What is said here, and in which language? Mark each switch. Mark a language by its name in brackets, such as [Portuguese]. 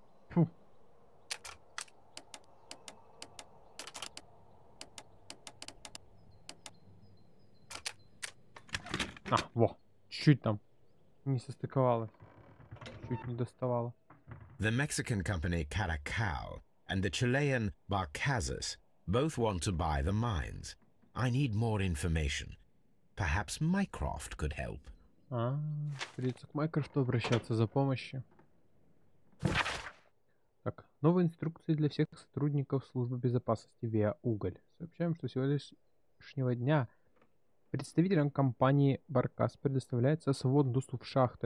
[Russian] Фу. А, во. Чуть-чуть там не состыковало. Чуть не доставало. [English] The Mexican company Caracal and the Chilean Barcazas both want to buy the mines. I need more information. Perhaps Mycroft could help. [Russian] А, придется к Майкрофту обращаться за помощью. Так, новые инструкции для всех сотрудников службы безопасности ВИА «Уголь». Сообщаем, что с сегодняшнего дня представителям компании «Баркас» предоставляется свободный доступ в шахты.